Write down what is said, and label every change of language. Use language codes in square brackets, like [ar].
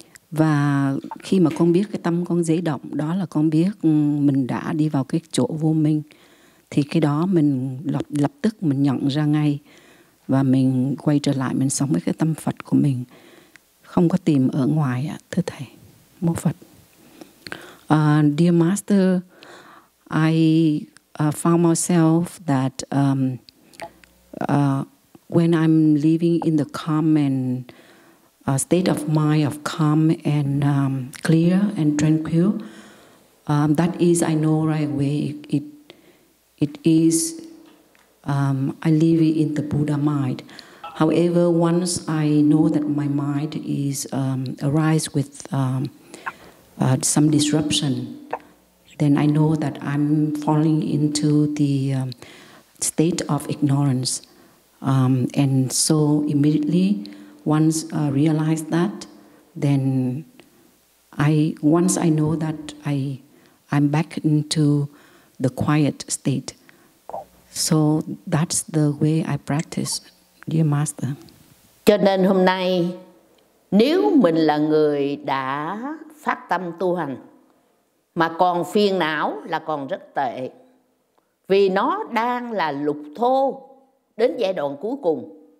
[vi] Và khi mà con biết cái tâm con dễ động, đó là con biết mình đã đi vào cái chỗ vô minh. Thì cái đó mình lập tức mình nhận ra ngay và mình quay trở lại, mình sống với cái tâm Phật của mình, không có tìm ở ngoài ạ, thưa Thầy, mô Phật. [en] Dear Master, I found myself that when I'm living in the calm and state of mind of calm and clear and tranquil, that is, I know right away, it is, I live in the Buddha mind. However, once I know that my mind is arise with some disruption, then I know that I'm falling into the state of ignorance. And so immediately, once I realize that, then once I know that I'm back into the quiet state. So that's the way I practice. Dear Master. [vi] Cho nên hôm nay nếu mình là người đã phát tâm tu hành mà còn phiền não là còn rất tệ, vì nó đang là lục thô đến giai đoạn cuối cùng.